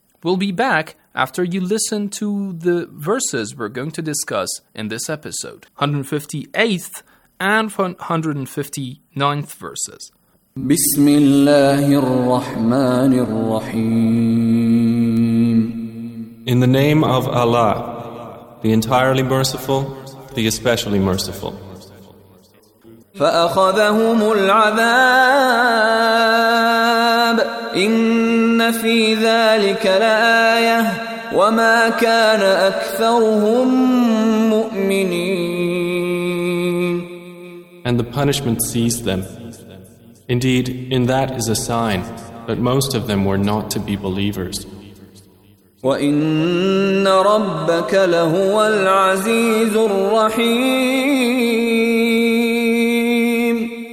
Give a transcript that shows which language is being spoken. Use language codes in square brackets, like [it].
[en] We'll be back after you listen to the verses we're going to discuss in this episode, 158th and 159th verses. [ar] بسم الله الرحمن الرحيم. [en] In the name of Allah, the entirely merciful, the especially merciful. [ar] فأخذهم العذاب إن في ذلك لآية وما كان أكثرهم مؤمنين. [en] And the punishment seized them. Indeed, in that is a sign, but most of them were not to be believers. [ar] وَإِنَّ رَبَّكَ لَهُوَ الْعَزِيزُ الرَّحِيمُ